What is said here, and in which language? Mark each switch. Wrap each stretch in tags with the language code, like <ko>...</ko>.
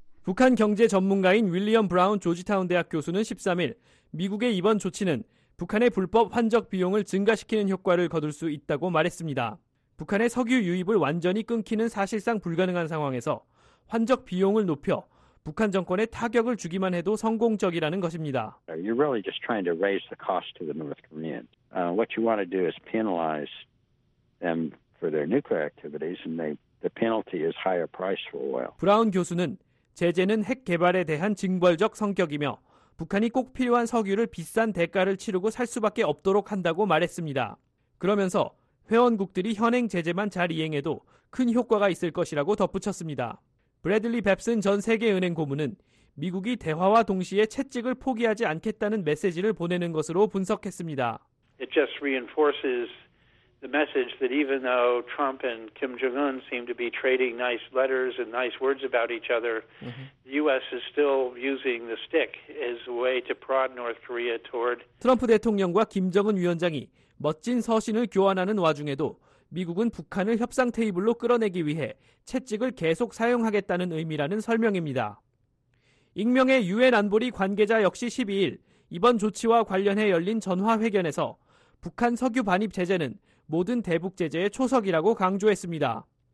<ko>북한 경제 전문가인 윌리엄 브라운 조지타운 대학 교수는 13일 미국의 이번 조치는 북한의 불법 환적 비용을 증가시키는 효과를 거둘 수 있다고 말했습니다. 북한의 석유 유입을 완전히 끊기는 사실상 불가능한 상황에서 환적 비용을 높여 북한 정권에 타격을 주기만 해도 성공적이라는 것입니다.</ko> <en>You're really just trying to raise the cost to the North Koreans. What you want to do is penalize them for their nuclear activities and the penalty is higher price for oil.</en> <ko>브라운 교수는 제재는 핵 개발에 대한 징벌적 성격이며 북한이 꼭 필요한 석유를 비싼 대가를 치르고 살 수밖에 없도록 한다고 말했습니다. 그러면서 회원국들이 현행 제재만 잘 이행해도 큰 효과가 있을 것이라고 덧붙였습니다. 브래들리 뱁슨 전 세계은행 고문은 미국이 대화와 동시에 채찍을 포기하지 않겠다는 메시지를 보내는 것으로 분석했습니다.</ko> <en>It just reinforces the message that even though Trump and Kim Jong-un seem to be trading nice letters and nice words about each other, the U.S. is still using the stick as a way to prod North Korea toward.</en> <ko>트럼프 대통령과 김정은 위원장이 멋진 서신을 교환하는 와중에도 미국은 북한을 협상 테이블로 끌어내기 위해 채찍을 계속 사용하겠다는 의미라는 설명입니다. 익명의 유엔 안보리 관계자 역시 12일 이번 조치와 관련해 열린 전화회견에서 북한 석유 반입 제재는 모든 대북 제재의 초석이라고 강조했습니다.</ko>